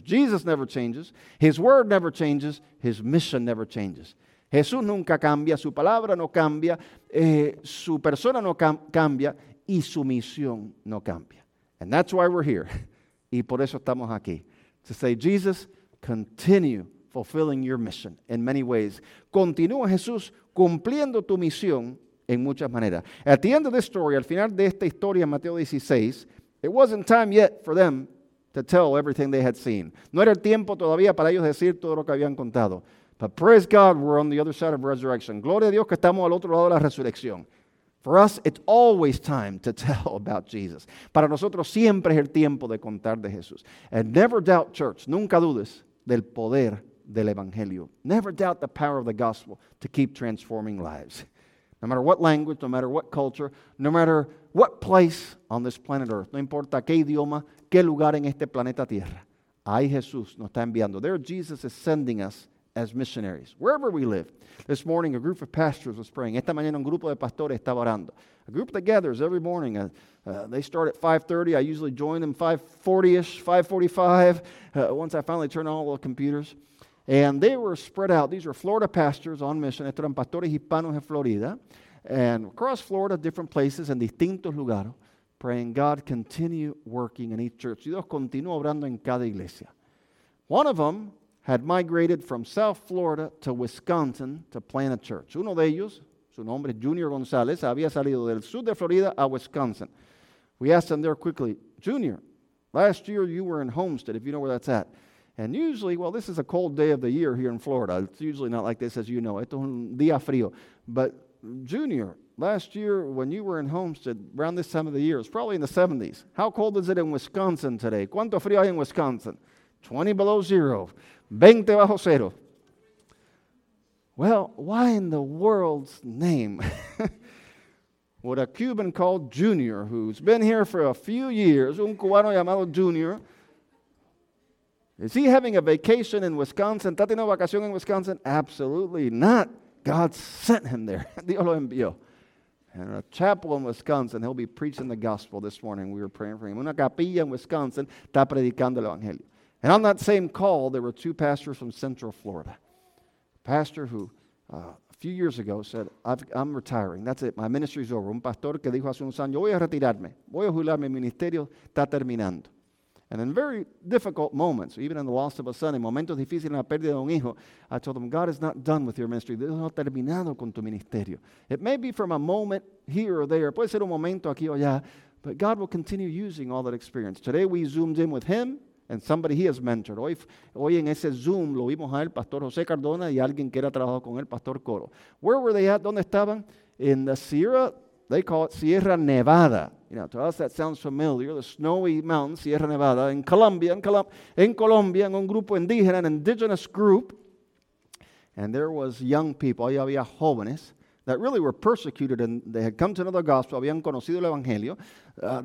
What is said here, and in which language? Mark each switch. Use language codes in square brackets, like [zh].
[en] Jesus never changes. His word never changes. His mission never changes. [es] Jesús nunca cambia. Su palabra no cambia. Su persona no cambia. Y su misión no cambia. [en] And that's why we're here. [es] Y por eso estamos aquí. [en] To say, Jesus, continue fulfilling your mission in many ways. [es] Continúa, Jesús, cumpliendo tu misión en muchas maneras. [en] At the end of this story, [es] al final de esta historia, [en] Mateo 16, it wasn't time yet for them to tell everything they had seen. [es] No era el tiempo todavía para ellos decir todo lo que habían contado. [en] But praise God, we're on the other side of resurrection. [es] Gloria a Dios que estamos al otro lado de la resurrección. [en] For us, it's always time to tell about Jesus. [es] Para nosotros siempre es el tiempo de contar de Jesús. [en] And never doubt, church, [es] nunca dudes del poder del Evangelio. [en] Never doubt the power of the gospel to keep transforming lives. No matter what language, no matter what culture, no matter what place on this planet Earth, [es] no importa qué idioma, qué lugar en este planeta Tierra, ahí Jesús nos está enviando. [en] There Jesus is sending us as missionaries, wherever we live. This morning, a group of pastors was praying. [es] Esta mañana, un grupo de pastores estaba orando. [en] A group that gathers every morning. They start at 5:30. I usually join them 5:40-ish, 5:45, once I finally turn on all the computers. And they were spread out. These were Florida pastors on mission. [es] Estos eran pastores hispanos en Florida. [en] And across Florida, different places, [es] en distintos lugares, [en] praying, God, continue working in each church. [es] Dios continúa obrando en cada iglesia. [en] One of them had migrated from South Florida to Wisconsin to plant a church. [es] Uno de ellos, su nombre es Junior González, había salido del sur de Florida a Wisconsin. [en] We asked him there quickly, Junior, last year you were in Homestead, if you know where that's at. And usually, well, this is a cold day of the year here in Florida. It's usually not like this, as you know. [es] Esto es un día frío. [en] But Junior, last year when you were in Homestead, around this time of the year, it's probably in the 70s. How cold is it in Wisconsin today? [es] ¿Cuánto frío hay en Wisconsin? [en] 20 below zero, [es] 20 bajo cero. [en] Well, why in the world's name would a Cuban called Junior, who's been here for a few years, [es] un cubano llamado Junior, [en] is he having a vacation in Wisconsin? [es] ¿Está teniendo vacación en Wisconsin? [en] Absolutely not. God sent him there. [es] Dios lo envió. [en] And a chapel in Wisconsin, he'll be preaching the gospel this morning. We were praying for him. [es] Una capilla en Wisconsin está predicando el evangelio. [en] And on that same call, there were two pastors from Central Florida. A pastor who a few years ago said, I'm retiring. That's it. My ministry's over. [es] Un pastor que dijo hace unos años, yo voy a retirarme. Voy a jubilar. Mi ministerio está terminando. [en] And in very difficult moments, even in the loss of a son, [es] en momentos difíciles, en la pérdida de un hijo, [en] I told him, God is not done with your ministry. [es] Dios no ha terminado con tu ministerio. [en] It may be from a moment here or there. [es] Puede ser un momento aquí o allá. [en] But God will continue using all that experience. Today we zoomed in with him and somebody he has mentored. [es] Hoy en ese Zoom lo vimos a él, Pastor José Cardona, y alguien que era trabajado con él, Pastor Coro. [en] Where were they at? [es] ¿Dónde estaban? [en] In the Sierra, they call it Sierra Nevada. You know, to us that sounds familiar, the snowy mountains, Sierra Nevada. In Colombia, [es] en un grupo indígena, [en] an indigenous group. And there was young people, [es] ahí había jóvenes, [en] that really were persecuted, and they had come to another gospel, [es] habían conocido el Evangelio.